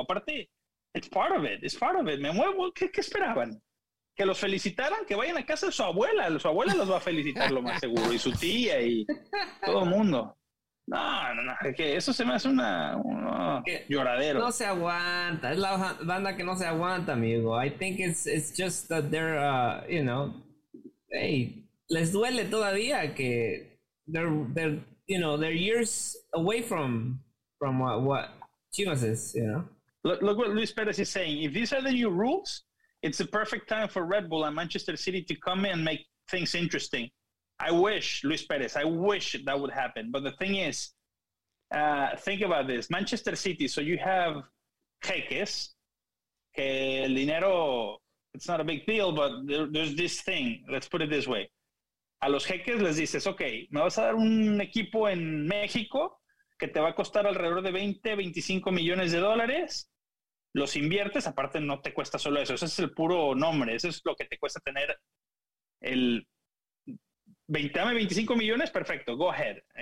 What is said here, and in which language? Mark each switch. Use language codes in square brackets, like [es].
[es] Aparte, [en] it's part of it. [es] Me muevo, ¿qué esperaban? Que los felicitaran, que vayan a casa de su abuela. Su abuela los va a felicitar lo más seguro, y su tía, y todo el mundo. No, es que eso se me hace una lloradero. No se aguanta, es la banda que no se aguanta, amigo. [en] I think it's just that they're, you know, hey... [es] Les duele todavía que [en] they're you know they're years away from what Chivas is, you know. Look what Luis Perez is saying. If these are the new rules, it's the perfect time for Red Bull and Manchester City to come in and make things interesting. I wish Luis Perez. I wish that would happen. But the thing is, think about this: Manchester City. So you have Jeques, [es] que el dinero. [en] It's not a big deal, but there's this thing. Let's put it this way. [es] A los jeques les dices, ok, me vas a dar un equipo en México que te va a costar alrededor de 20, 25 millones de dólares. Los inviertes, aparte no te cuesta solo eso. Ese es el puro nombre. Eso es lo que te cuesta tener el... Dame 25 millones, perfecto, [en] go ahead.